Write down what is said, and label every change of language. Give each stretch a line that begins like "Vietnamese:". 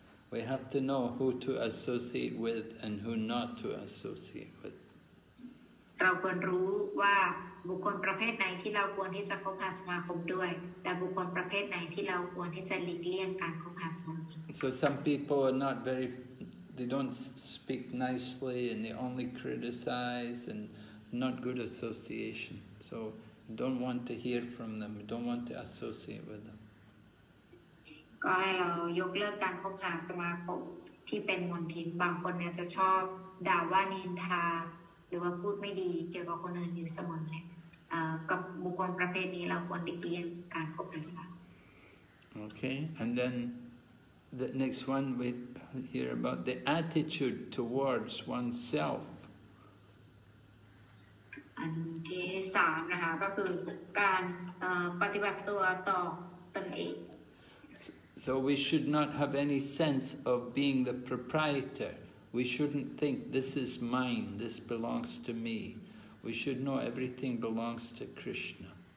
English: We have to know who to associate with and who not to associate with.
Thai: เราควรรู้ว่าบุคคลประเภทไหนที่เราควรที่จะคบหาสมาคมด้วยแต่บุคคลประเภทไหนที่เราควรที่จะหลีกเลี่ยงการคบหาสมาคม
English: So some people are not very they don't speak nicely and they only criticize and not good association so don't want to hear from them don't want to associate with them
Thai: ก็ให้เรายกเลิกการคบหาสมาคมที่เป็นมลทินบางคนเนี่ยจะชอบด่าว่านินทาหรือว่าพูดไม่ดีเกี่ยวกับคนอื่นอยู่เสมอเลยกับบุคคลประเภทนี้เราควรติดเลี่ยงการคบหาสมาคม
English: โอเค and then the next one we hear about the attitude towards oneself
Thai: อันที่สามนะคะก็คือการปฏิบัติตัวต่อตนเอง
English: so we should not have any sense of being the proprietor. We shouldn't think this is mine, this belongs to me. We should know everything belongs to Krishna.